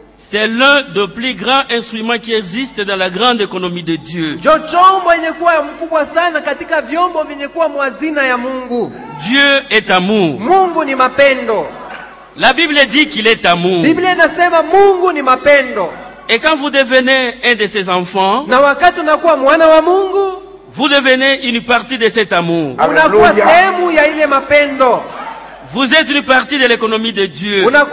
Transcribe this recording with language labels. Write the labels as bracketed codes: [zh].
[fr] c'est l'un des plus grands instruments qui existent dans la grande économie de Dieu. Dieu est amour. [sw] Mungu ni mapendo. [fr] La Bible dit qu'il est amour. [sw] Biblia inasema Mungu ni mapendo. [fr] Et quand vous devenez un de ses enfants, [sw] na wakati unakuwa mwana wa Mungu, [fr] vous devenez une partie de cet amour. Alléluia. Vous êtes une partie de l'économie de Dieu.